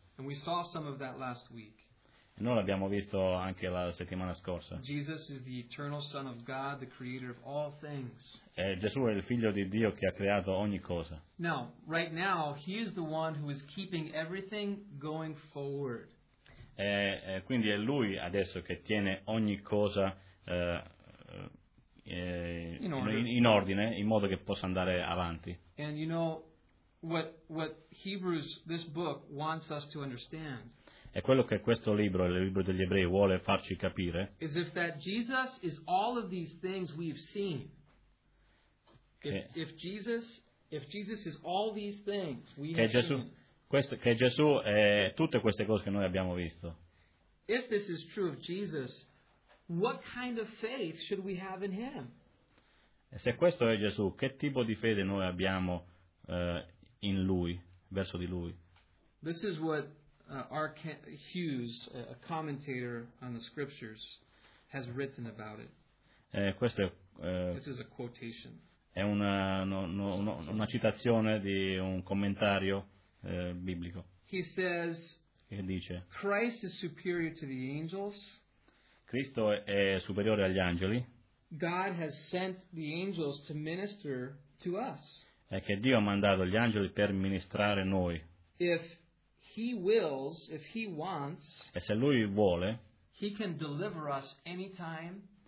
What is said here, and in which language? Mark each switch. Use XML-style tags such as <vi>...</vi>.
<en>And we saw some of that last week.</en> <it>E noi l'abbiamo visto anche la settimana scorsa.</it> <en>Jesus is the eternal Son of God, the creator of all things.</en> <it>E Gesù è il figlio di Dio che ha creato ogni cosa.</it> <en>Now, right now, he is the one who is keeping everything going forward.</en> <it>E quindi è lui adesso che tiene ogni cosa in ordine, in modo che possa andare avanti.</it> <en>And you know what Hebrews, this book, wants us to understand.</en> <it>E quello che questo libro, il libro degli ebrei, vuole farci capire</it> <en>is if that Jesus is all of these things we've seen. If Jesus is all these things we have</en> <it>Gesù,</it> <en>seen.</en> <it>Questo, che Gesù è tutte queste cose che noi abbiamo visto.</it> <en>If this is true of Jesus, what kind of faith should we have in him?</en> <it>E se questo è Gesù, che tipo di fede noi abbiamo in lui, verso di lui?</it> <en>This is what Hughes, a commentator on the scriptures, has written about it.</en> <it>Questo è,</it> <en>this is a quotation.</en> <it>È una citazione di un commentario biblico.</it> <en>He says,</en> <it>e dice,</it> <en>Christ is superior to the angels.</en> <it>Cristo è superiore agli angeli.</it> <en>God has sent the angels to minister to us.</en> <it>È che Dio ha mandato gli angeli per ministrare noi.</it> <en>If He wills, if he wants,</en> <it>e se lui vuole,</it> <en>he can deliver us anytime.</en>